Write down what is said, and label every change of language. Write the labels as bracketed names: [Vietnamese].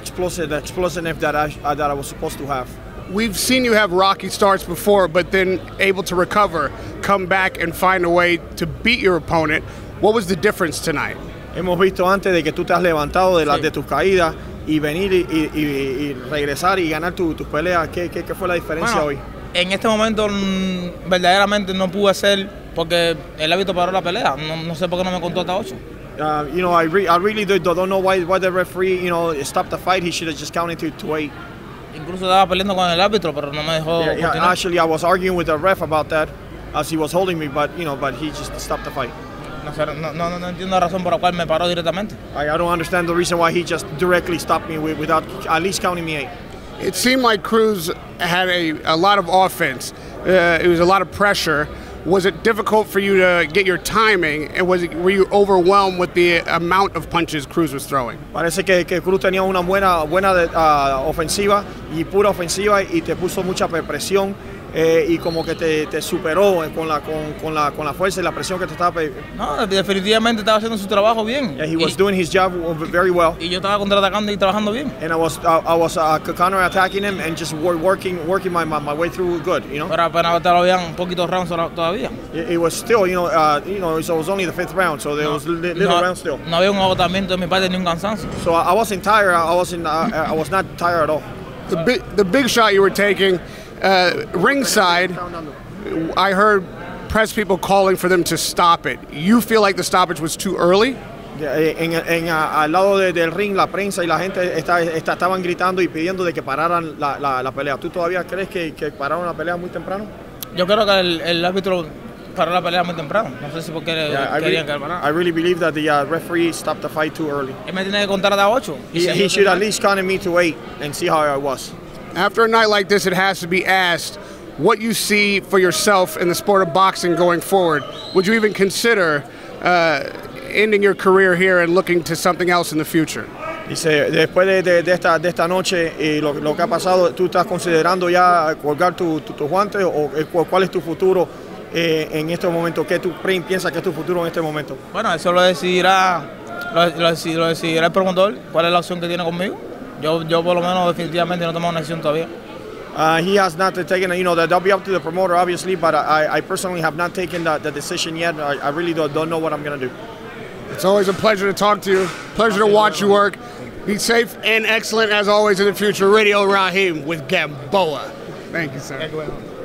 [English] I couldn't feel the explosiveness that I was supposed to have. We've seen you have rocky starts before, but then able to recover, come back and find a way to beat your opponent. What was the difference tonight? [Spanish] Hemos visto antes de que tú te has levantado de las de tus caídas. Y venir y regresar y ganar tus peleas, ¿qué fue la diferencia bueno, hoy? En este momento verdaderamente no pude hacer porque el árbitro paró la pelea. No sé por qué no me contó hasta 8. [English] I really don't know why the referee, you know, stopped the fight. He should have just counted to 8. [Spanish] Incluso estaba peleando con el árbitro, pero no me dejó continuar. [English] Actually, I was arguing with the ref about that as he was holding me, but you know, but he just stopped the fight. [Spanish] No entiendo la razón por la cual me paró directamente. [English] I don't understand the reason why he just directly stopped me without at least counting me 8. It seemed like Cruz had a lot of offense. It was a lot of pressure. Was it difficult for you to get your timing? And were you overwhelmed with the amount of punches Cruz was throwing? [Spanish] Parece que Cruz tenía una buena ofensiva y pura ofensiva y te puso mucha presión. Y como que te superó con la fuerza y la presión que te estaba No, definitivamente estaba haciendo su trabajo bien. [English] Yeah, he was doing his job very well. [Spanish] Y yo estaba contraatacando y trabajando bien. [English] And I was counterattacking him and just working my way through good, you know. [Spanish] Pero apenas te lo habían un poquito rounds todavía. [English] It was still, you know, so it was only the 5th round, so there was little rounds still. [Spanish] No había un agotamiento de mi parte ni un cansancio. [English] So I wasn't tired. I was not tired at all. The big shot you were taking. Ringside, I heard press people calling for them to stop it. You feel like the stoppage was too early? [Spanish] Al lado del ring, la prensa y la gente estaban gritando y pidiendo de que pararan la pelea. ¿Tú todavía crees que pararon la pelea muy temprano? Yo creo que el árbitro paró la pelea muy temprano. No sé si porque querían que parara. [English] I really believe that the referee stopped the fight too early. [Spanish] Él me tiene que contar hasta 8. [English] He should at least count me to 8 and see how I was. After a night like this, it has to be asked what you see for yourself in the sport of boxing going forward. Would you even consider ending your career here and looking to something else in the future? [Spanish] Dice, después de esta noche y lo que ha pasado, ¿tú estás considerando ya colgar tu guante o cuál es tu futuro en este momento? ¿Qué tú piensas que es tu futuro en este momento? Bueno, eso lo decidirá el promotor, cuál es la opción que tiene conmigo. Yo por lo menos definitivamente no tomo una decisión todavía. [English] He has not taken, you know, that'll be up to the promoter, obviously, but I personally have not taken the decision yet. I really don't know what I'm going to do. It's always a pleasure to talk to you. Pleasure to watch you work. Be safe and excellent, as always, in the future. Radio Raheem with Gamboa. Thank you, sir.